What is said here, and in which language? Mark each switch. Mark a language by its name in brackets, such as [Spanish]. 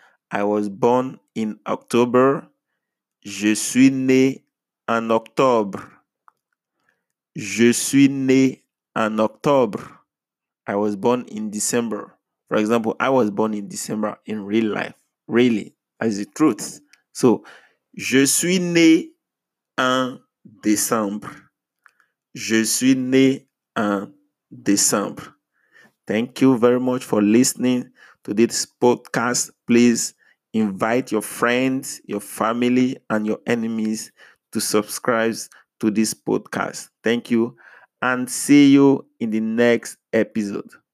[English] I was born in October. [French] Je suis né en octobre. Je suis né en octobre. [English] I was born in December. For example, I was born in December in real life. Really, as the truth. [French] So, je suis né en décembre. Je suis né en décembre. [English] Thank you very much for listening to this podcast. Please invite your friends, your family, and your enemies to subscribe to this podcast. Thank you and see you in the next episode.